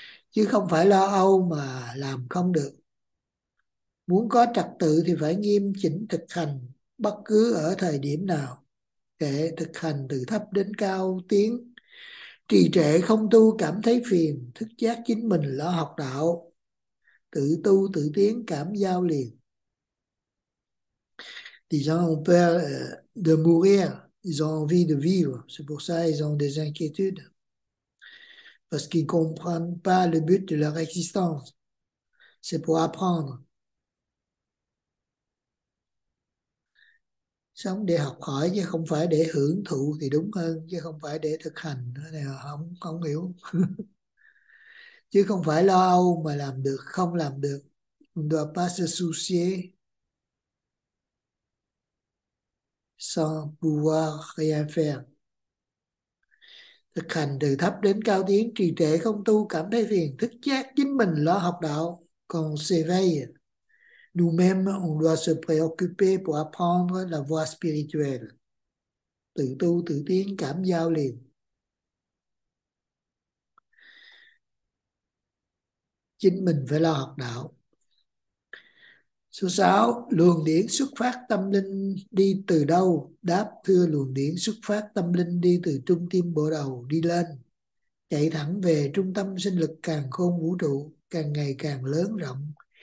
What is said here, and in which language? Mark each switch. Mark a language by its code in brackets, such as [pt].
[vi] Chứ không phải lo âu mà làm không được. Muốn có trật tự thì phải nghiêm chỉnh thực hành bất cứ ở thời điểm nào. Kệ, thực hành từ thấp đến cao tiến. Trì trệ không tu cảm thấy phiền, thức giác chính mình lo học đạo. Tự tu tự tiến cảm giao liền. [fr] Gens ont peur de mourir, ils ont envie de vivre. C'est pour ça qu'ils ont des inquiétudes. Parce qu'ils ne comprennent pas le but de leur existence. C'est pour apprendre. [vi] Sống để học hỏi chứ không phải để hưởng thụ thì đúng hơn, chứ không phải để thực hành. Cái này không không hiểu. Chứ không phải lo âu mà làm được không làm được. [fr] On doit pas se soucier sans pouvoir rien faire. [vi] Thực hành từ thấp đến cao tiến, trì trệ không tu cảm thấy phiền, thức giác chính mình lo học đạo. [fr] Còn s'éveille nous-mêmes, on doit se préoccuper pour apprendre la voie spirituelle. [vi] Tự tu, tự tiến, cảm giao liền. Chính mình phải lo học đạo. Số 6, luồng điển xuất phát tâm linh đi từ đâu? Đáp: thưa, luồng điển xuất phát tâm linh đi từ trung tim bộ đầu đi lên, chạy thẳng về trung tâm sinh lực càn khôn vũ trụ, càng ngày càng lớn rộng.